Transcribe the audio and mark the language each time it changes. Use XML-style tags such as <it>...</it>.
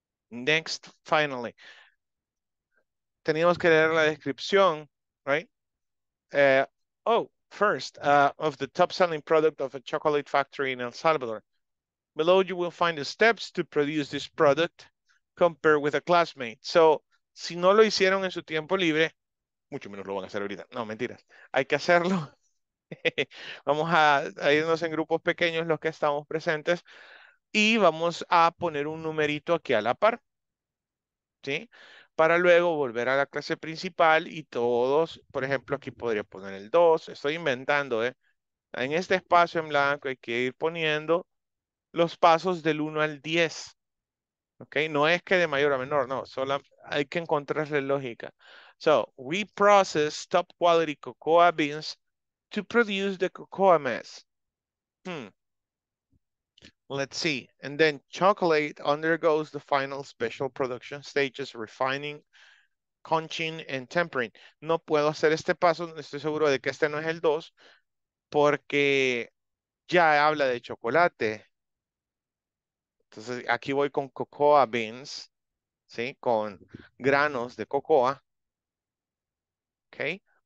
<en>Next, finally.</en> <es>Teníamos que leer la descripción, right?</es> <en>Of the top-selling product of a chocolate factory in El Salvador. Below, you will find the steps to produce this product compared with a classmate.</en> <es>So, si no lo hicieron en su tiempo libre, mucho menos lo van a hacer ahorita. No, mentiras. Hay que hacerlo. Vamos a irnos en grupos pequeños los que estamos presentes y vamos a poner un numerito aquí a la par. ¿Sí? Para luego volver a la clase principal y todos, por ejemplo, aquí podría poner el 2. Estoy inventando, ¿eh? En este espacio en blanco hay que ir poniendo los pasos del 1 al 10. Okay, no es que de mayor a menor, no, solo hay que encontrarle lógica.</es> <en>So, we process top quality cocoa beans to produce the cocoa mass. Let's see. And then chocolate undergoes the final special production stages, refining, conching, and tempering.</en> <es>No puedo hacer este paso, estoy seguro de que este no es el 2, porque ya habla de chocolate. Entonces, aquí voy con cocoa beans, ¿sí? Con granos de cocoa, ¿ok?</es>